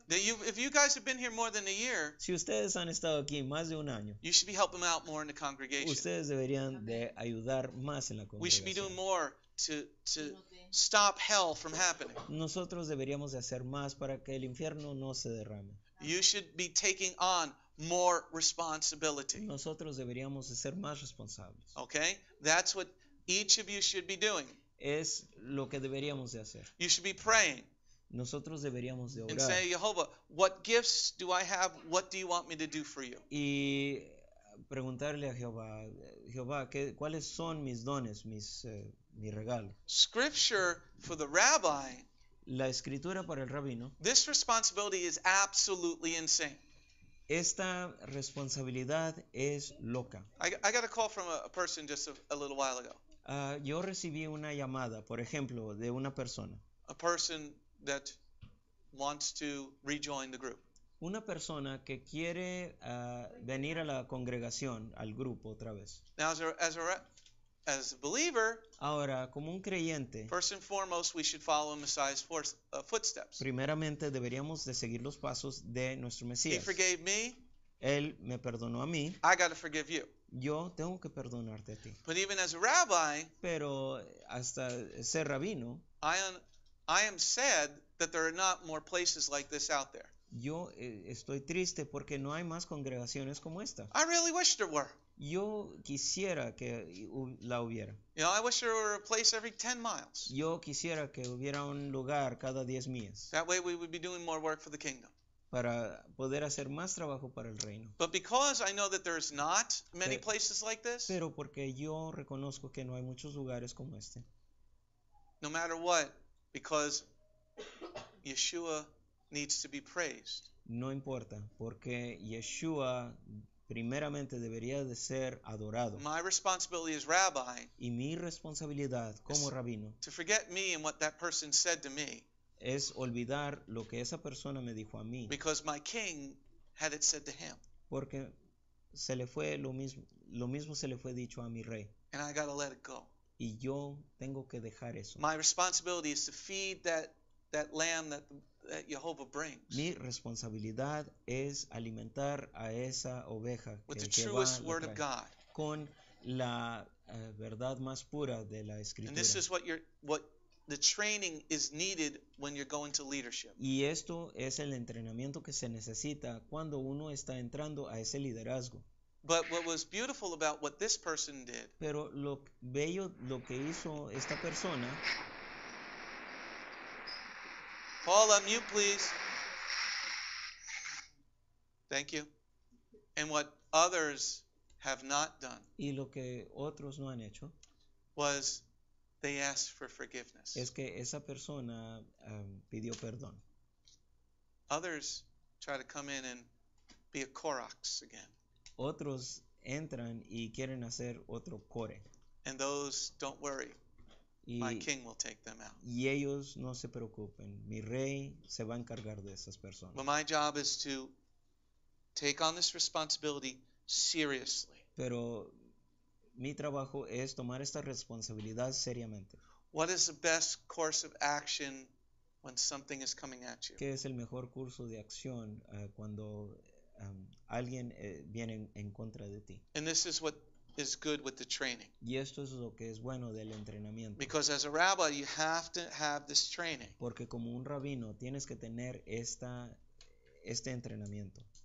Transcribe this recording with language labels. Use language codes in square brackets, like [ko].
[en] That if you guys have been here more than a year, [es] si ustedes han estado aquí más de un año, [en] you should be helping out more in the congregation. [es] Ustedes deberían de ayudar más en la congregación. [en] We should be doing more to stop hell from happening. [es] Nosotros deberíamos de hacer más para que el infierno no se derrame. [en] You should be taking on more responsibility. [es] Nosotros deberíamos de ser más responsables. [en] Okay? That's what each of you should be doing. [es] Es lo que deberíamos de hacer. [en] You should be praying. [es] Nosotros deberíamos de orar. [en] And say, Jehovah, what gifts do I have? What do you want me to do for you? [es] Y preguntarle a Jehová, ¿cuáles son mis dones, mi regalo? [en] Scripture for the rabbi. [es] La escritura para el rabino. [en] This responsibility is absolutely insane. [es] Esta responsabilidad es loca. [en] I got a call from a person just a little while ago. [es] Yo recibí una llamada, por ejemplo, de una persona. [en] A person that wants to rejoin the group. [es] Una persona que quiere venir a la congregación, al grupo otra vez. [en] Now, as a believer, [es] ahora, como un creyente, [en] first and foremost, we should follow Messiah's footsteps. [es] Primeramente, deberíamos de seguir los pasos de nuestro Mesías. [en] He forgave me. [es] Él me perdonó a mí. [en] I got to forgive you. [es] Yo tengo que perdonarte a ti. [en] But even as a rabbi, [es] pero hasta ser rabino, [en] I am sad that there are not more places like this out there. [es] Yo estoy triste porque no hay más congregaciones como esta. [en] I really wish there were. [es] Yo quisiera que la hubiera. [en] You know, I wish there were a place every 10 miles. [es] Yo quisiera que hubiera un lugar cada 10 millas. [en] That way we would be doing more work for the kingdom. [es] Para poder hacer más trabajo para el reino. [en] But because I know that there's not many places like this. [es] Pero porque yo reconozco que no hay muchos lugares como este. [en] No matter what, because Yeshua needs to be praised. [es] No importa, porque Yeshua primeramente debería de ser adorado. [en] My responsibility as rabbi, [es] y mi responsabilidad como rabino, [en] to forget me and what that person said to me, [es] es olvidar lo que esa persona me dijo a mí. [en] Because my king had it said to him. [es] Porque se le fue lo mismo se le fue dicho a mi rey. [en] And I gotta let it go. [es] Y yo tengo que dejar eso. [en] My responsibility is to feed that lamb that Jehovah brings. [es] Mi responsabilidad es alimentar a esa oveja [en] with [es] que [en] the truest word of God. [es] Con la verdad más pura de la escritura. [en] And this is what the training is needed when you're going to leadership. [es] Y esto es el entrenamiento que se necesita cuando uno está entrando a ese liderazgo. [en] But what was beautiful about what this person did? [es] Pero lo bello lo que hizo esta persona. [en] Paul, unmute, please. Thank you. And what others have not done? [es] Y lo que otros no han hecho. [en] Was they asked for forgiveness? [es] Es que esa persona pidió perdón. [en] Others try to come in and be a Korax again. [es] Otros entran y quieren hacer otro core. [en] And those, don't worry. My king will take them out. [es] Y ellos no se preocupen. Mi rey se va a encargar de esas personas. [en] But my job is to take on this responsibility seriously. [es] Pero mi trabajo es tomar esta responsabilidad seriamente. [en] What is the best course of action when something is coming at you? [es] ¿Qué es el mejor curso de acción cuando alguien viene en contra de ti? [en] And this is what is good with the training. [es] Y esto es lo que es bueno del entrenamiento. [en] Because as a rabbi, you have to have this training. [es] Porque como un rabino tienes que tener este entrenamiento.